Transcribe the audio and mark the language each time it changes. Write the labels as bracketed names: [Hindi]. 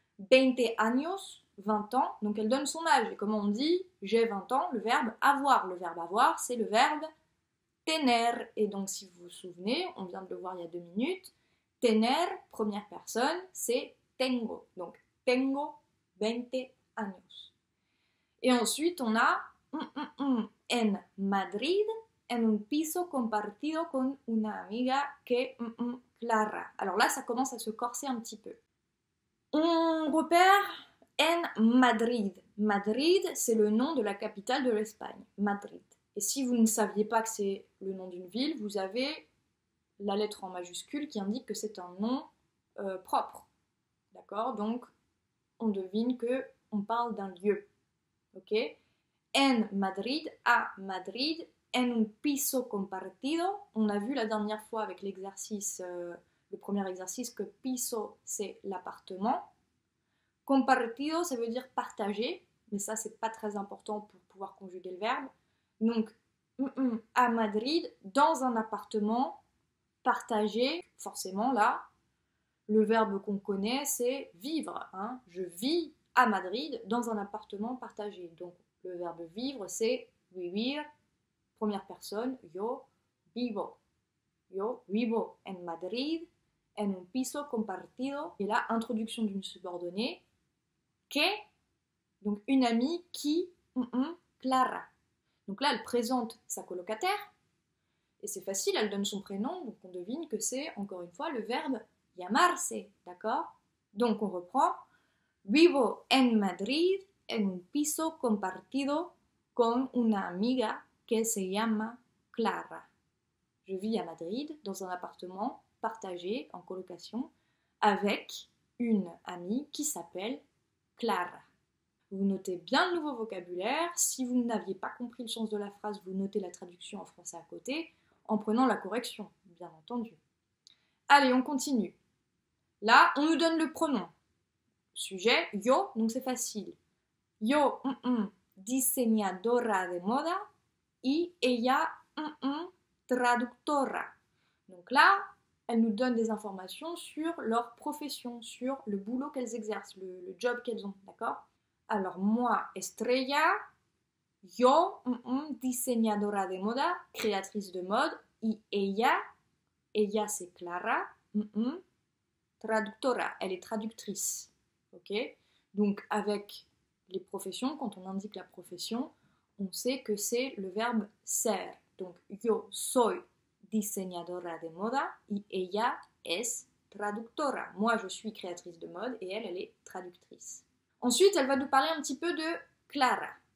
[Spanish] 20 años, [French] 20 ans, donc elle donne son âge. Et comme on dit, j'ai 20 ans, le verbe avoir, c'est le verbe tener. Et donc si vous vous souvenez, on vient de le voir il y a 2 minutes, tener, première personne, c'est tengo. Donc [Spanish] tengo 20 años. [French] Et ensuite on a [Spanish] en Madrid, en un piso compartido con una amiga que Clara. [French] Alors là, ça commence à se corser un petit peu. On repère [Spanish] en Madrid. [French] Madrid, c'est le nom de la capitale de l'Espagne, Madrid. Et si vous ne saviez pas que c'est le nom d'une ville, vous avez la lettre en majuscule qui indique que c'est un nom propre. D'accord? Donc, on devine que on parle d'un lieu. Ok? [Spanish] En Madrid, [French] à Madrid, [Spanish] en un piso compartido. [French] On a vu la dernière fois avec l'exercice, le premier exercice, que piso, c'est l'appartement. Compartido, ça veut dire partager. Mais ça, c'est pas très important pour pouvoir conjuguer le verbe. Donc, À Madrid, dans un appartement partagé, forcément là, le verbe qu'on connaît, c'est vivre. Hein. Je vis à Madrid dans un appartement partagé. Donc le verbe vivre, c'est vivir, première personne, [Spanish] yo vivo. Yo vivo en Madrid, en un piso compartido. [French] Et là, introduction d'une subordonnée, que, donc une amie qui, Clara. Donc là, elle présente sa colocataire, et c'est facile, elle donne son prénom, donc on devine que c'est encore une fois le verbe llamarse, d'accord? Donc on reprend. [Spanish] Vivo en Madrid, en un piso compartido con una amiga que se llama Clara. [French] Je vis à Madrid, dans un appartement partagé, en colocation, avec une amie qui s'appelle Clara. Vous notez bien le nouveau vocabulaire. Si vous n'aviez pas compris le sens de la phrase, vous notez la traduction en français à côté, en prenant la correction, bien entendu. Allez, on continue. Là, on nous donne le pronom. Sujet, yo, donc c'est facile. [Spanish] Yo, diseñadora de moda, y ella, traductora. [French] Donc là, elles nous donnent des informations sur leur profession, sur le boulot qu'elles exercent, le job qu'elles ont, d'accord? Alors, moi, Estrella, [Spanish] yo, diseñadora de moda, [French] créatrice de mode, [Spanish] y ella, [French] c'est Clara, traductora, elle est traductrice. Ok? Donc, avec les professions, quand on indique la profession, on sait que c'est le verbe ser. Donc, [Spanish] yo soy diseñadora de moda, y ella es traductora. [French] Moi, je suis créatrice de mode, et elle est traductrice. Ensuite, elle va nous parler un petit peu de Clara.